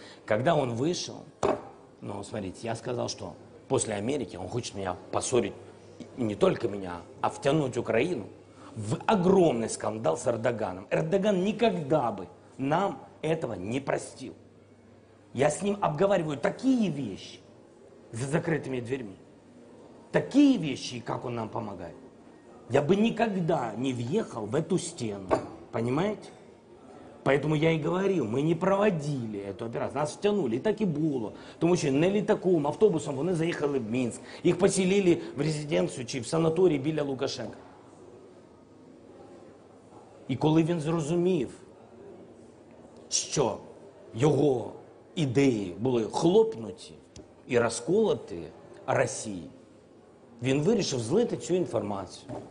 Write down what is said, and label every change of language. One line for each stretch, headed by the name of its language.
Ukrainian: Коли він вийшов, ну, смотрите, я сказав, що після Америки він хоче мене поссорити, не тільки мене, а втягнути Україну в огромний скандал з Ердоганом. Ердоган ніколи би нам цього не простив. Я з ним обговорюю такі речі за закритими дверьми.
Russian: Такие вещи, как он нам помогает, я бы никогда не въехал в эту стену. Понимаете? Поэтому я и говорил, мы не проводили эту операцию, нас втянули, и так и было.
Ukrainian: Тому що не літаком, автобусом вони заїхали в Мінськ, їх поселили в резиденцію чи в санаторій біля Лукашенка. І коли він зрозумів, що його ідеї були хлопнуті і розколоті Росії, він вирішив злити цю інформацію.